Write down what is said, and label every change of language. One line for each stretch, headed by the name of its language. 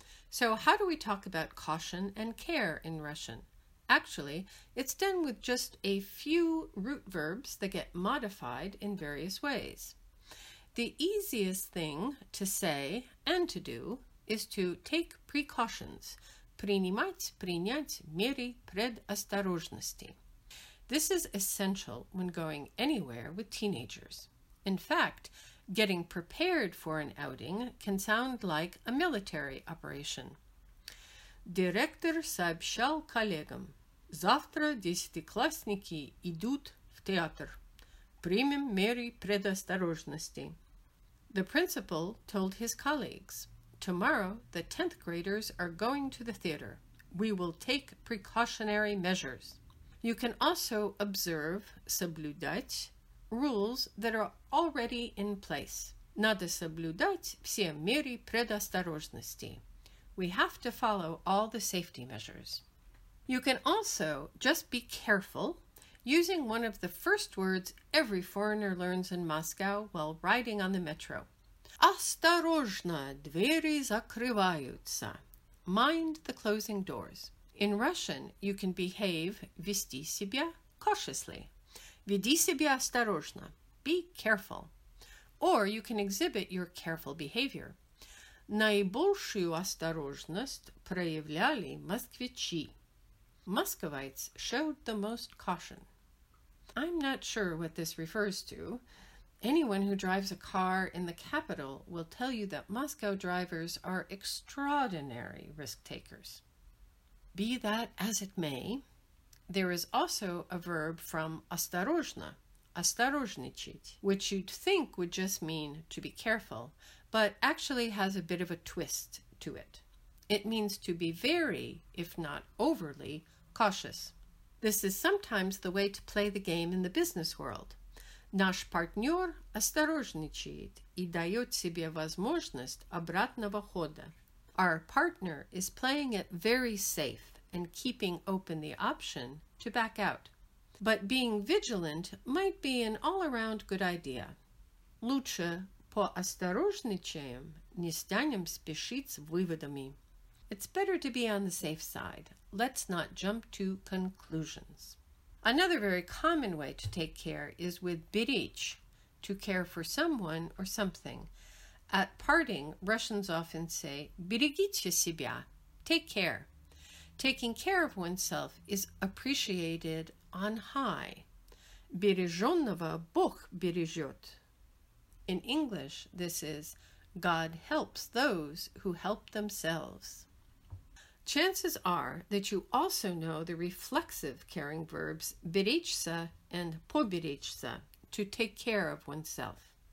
English: So how do we talk about caution and care in Russian? Actually, it's done with just a few root verbs that get modified in various ways. The easiest thing to say and to do is to take precautions.
Russian: Принимать, принять, меры, предосторожности.
English: This is essential when going anywhere with teenagers. In fact, getting prepared for an outing can sound like a military operation.
Russian: Директор сообщал коллегам. Завтра десятиклассники идут в театр. Примем меры предосторожности.
English: The principal told his colleagues, tomorrow the 10th graders are going to the theater. We will take precautionary measures. You can also observe, соблюдать, rules that are already in place.
Russian: Надо соблюдать все меры предосторожности.
English: We have to follow all the safety measures. You can also just be careful using one of the first words every foreigner learns in Moscow while riding on the metro.
Russian: Осторожно, двери закрываются.
English: Mind the closing doors. In Russian, you can behave,
Russian: вести себя,
English: cautiously.
Russian: Веди себя осторожно.
English: Be careful. Or you can exhibit your careful behavior.
Russian: Наибольшую осторожность проявляли москвичи.
English: Muscovites showed the most caution. I'm not sure what this refers to. Anyone who drives a car in the capital will tell you that Moscow drivers are extraordinary risk takers. Be that as it may, there is also a verb from осторожно, осторожничать, which you'd think would just mean to be careful, but actually has a bit of a twist to it. It means to be very, if not overly, cautious. This is sometimes the way to play the game in the business world. Наш партнер осторожничает и дает себе возможность обратного хода. Our partner is playing it very safe and keeping open the option to back out. But being vigilant might be an all-around good idea. Лучше поосторожничаем, не станем спешить с выводами. It's better to be on the safe side. Let's not jump to conclusions. Another very common way to take care is with беречь, to care for someone or something. At parting, Russians often say,
Russian: берегите себя,
English: take care. Taking care of oneself is appreciated on high. Береженного Бог бережет. In English, this is, God helps those who help themselves. Chances are that you also know the reflexive caring verbs беречься and поберечься, to take care of oneself.